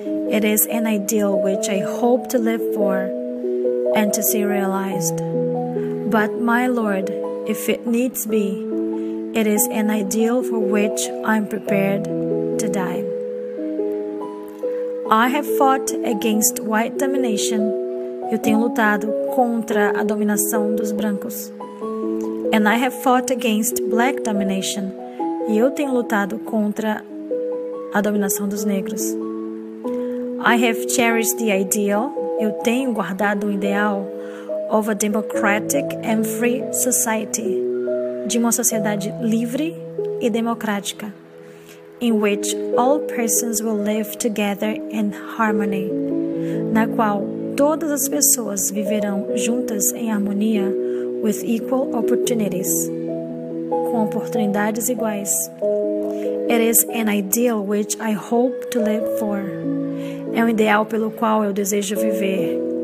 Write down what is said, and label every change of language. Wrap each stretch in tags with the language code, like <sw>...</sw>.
<en>It is an ideal which I hope to live for and to see realized. But, my Lord, if it needs be, it is an ideal for which I am prepared to die. I have fought against white domination.</en> <pt>Eu tenho lutado contra a dominação dos brancos.</pt> <en>And I have fought against black domination.</en> <pt>E eu tenho lutado contra a dominação dos negros.</pt> <en>I have cherished the ideal.</en> <pt>Eu tenho guardado o ideal.</pt> <en>Of a democratic and free society,</en> <pt>de uma sociedade livre e democrática,</pt> <en>in which all persons will live together in harmony,</en> <pt>na qual todas as pessoas viverão juntas em harmonia,</pt> <en>with equal opportunities,</en> <pt>com oportunidades iguais.</pt> <en>It is an ideal which I hope to live for.</en> <pt>É um ideal pelo qual eu desejo viver.</pt>